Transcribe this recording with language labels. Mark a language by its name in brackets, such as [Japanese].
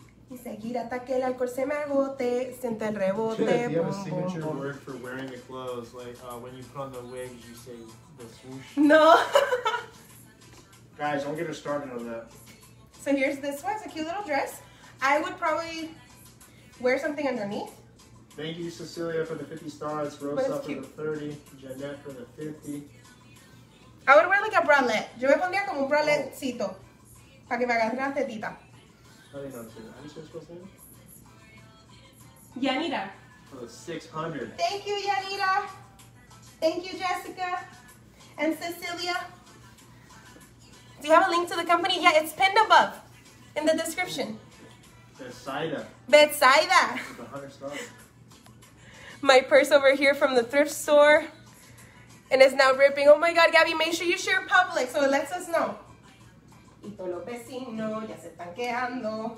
[Spanish] Y seguir hasta que el alcohol se me agote, siente el rebote. [English] Do you have a signature word for wearing the clothes? Like, when you put on the wig, you say the swoosh? No. Guys, don't get her started on that. I So here's this one. It's a cute little dress. I would probably wear something underneath. Thank you, Cecilia, for the 50 stars. Rosa for the 30. Jeanette for the 50. I would wear like a bralette. [Spanish] Yo me pondría como un bralettecito. Para que me agarre la tetita. [English] I didn't know Yanira. For the 600. Thank you, Yanira. Thank you, Jessica. And Cecilia. Do you have a link to the company? Yeah, it's pinned above in the description. Betsaida. Betsaida. For the 100 stars. My purse over here from the thrift store. And it's now ripping. Oh my God, Gabby, make sure you share public so it lets us know. [Spanish] Y todos los vecinos ya se están quejando.